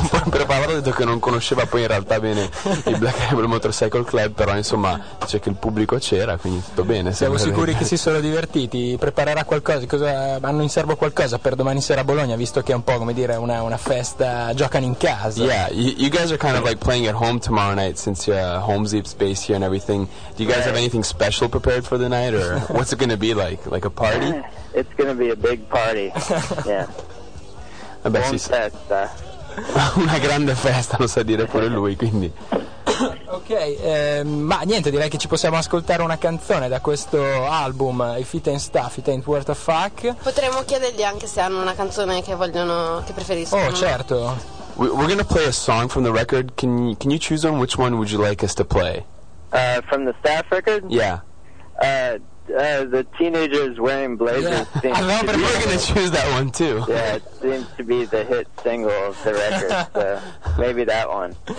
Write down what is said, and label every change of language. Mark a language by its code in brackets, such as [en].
[it] Un po' impreparato, ho detto che non conosceva poi in realtà bene i Black Rebel Motorcycle Club. Però insomma dice che il pubblico c'era, quindi tutto bene. Siamo sicuri che si sono divertiti. Preparerà qualcosa? Hanno in serbo qualcosa per domani sera a Bologna, visto che è un po', come dire, una festa, giocano in casa. [en] Yeah, you guys are kind of like playing at home tomorrow night since you're home zip's base here and everything. Do you guys have anything special prepared for the night, or what's it going to be like? Like a party? It's going to be a big party, yeah. [it] Home festa. Una grande festa, lo sa dire pure lui, quindi... Ok, ma niente, direi che ci possiamo ascoltare una canzone da questo album, If It Ain't Stuff, It Ain't Worth a Fuck. Potremmo chiedergli anche se hanno una canzone che vogliono, che preferiscono. Oh, certo. [en] We're gonna play a song from the record. Can you choose on which one would you like us to play? From the staff record? Yeah. The teenagers wearing blazers. Yeah. Seems I know, but we're gonna choose that one too. Yeah, it seems to be the hit single of the record, so maybe that one.